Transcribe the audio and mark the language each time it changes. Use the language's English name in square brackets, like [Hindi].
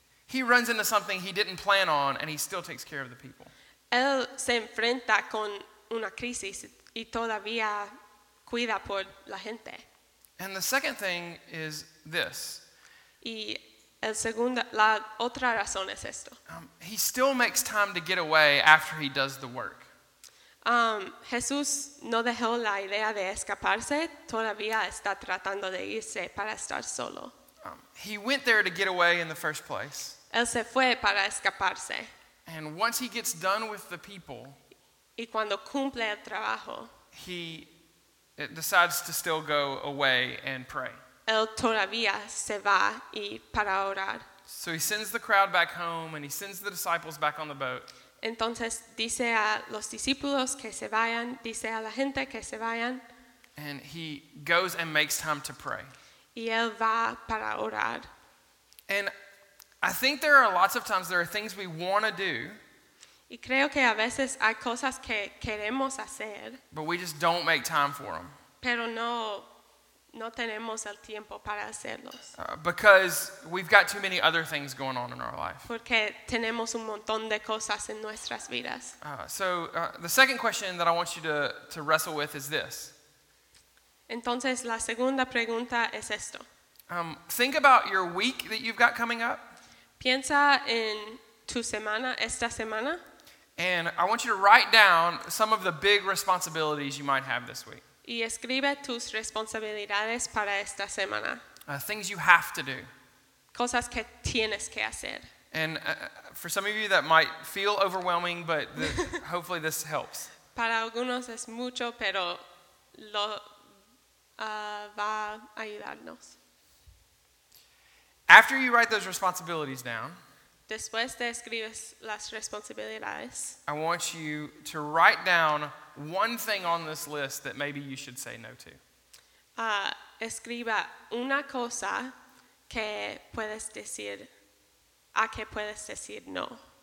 [English] He runs into something he didn't plan on, and he still takes care of the people. [Spanish] Él se enfrenta con una crisis y todavía cuida por la gente. [English] And the second thing is this. [Spanish] Y el segundo, la otra razón es esto. [English] He still makes time to get away after he does the work. [Spanish] Jesús no dejó la idea de escaparse, todavía está tratando de irse para estar solo. [English] He went there to get away in the first place. [Spanish] Él se fue para escaparse. [English] And once he gets done with the people, [Spanish] y cuando cumple el trabajo, [English] he decides to still go away and pray. [Spanish] Él todavía se va y para orar. [English] So he sends the crowd back home and he sends the disciples back on the boat. [Spanish] Entonces dice a los discípulos que se vayan, dice a la gente que se vayan. [English] And he goes and makes time to pray. [Spanish] Y él va para orar. [English] And I think there are lots of times there are things we want to do. [Spanish] Y creo que a veces hay cosas que queremos hacer. [English] But we just don't make time for them. [Spanish] Pero no tenemos el tiempo para hacerlos. [English] Because we've got too many other things going on in our life. [Spanish] Porque tenemos un montón de cosas en nuestras vidas. [English] So the second question that I want you to wrestle with is this. [Spanish] Entonces la segunda pregunta es esto. [English] Think about your week that you've got coming up. [Spanish] Piensa en tu semana, esta semana. [English] And I want you to write down some of the big responsibilities you might have this week. [Spanish] Y escribe tus responsabilidades para esta semana. [English] Things you have to do. [Spanish] Cosas que tienes que hacer. [English] And for some of you that might feel overwhelming, but hopefully this helps. [Spanish] Para algunos es mucho, pero lo va a ayudarnos. [English] After you write those responsibilities down, [Spanish] después de escribir las responsabilidades, [English] I want you to write down one thing on this list that maybe you should say no to. [Spanish] Escriba una cosa que puedes decir, a que puedes decir no.